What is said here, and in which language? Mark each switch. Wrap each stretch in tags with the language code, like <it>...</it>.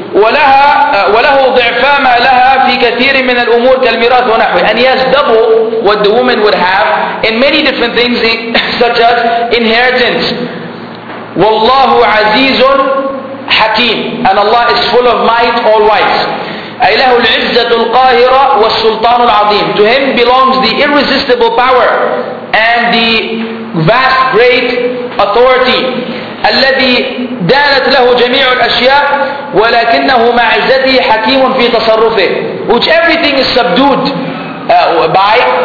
<ar>ولها وله ضعفا ما لها في كثير من الأمور كالميراث ونحوه.</ar> <en>And he has double what the woman would have in many different things, such as inheritance.</en> <ar>والله عزيز حكيم.</ar> <en>And Allah is full of might, all wise.</en> <ar>أي له العزة القاهرة والسلطان العظيم.</ar> <en>To him belongs the irresistible power and the vast great authority.</en> <ar>الذي دانت له جميع الأشياء ولكنه مع عزته حكيم في تصرفه.</ar> <en>Which everything is subdued by.</en>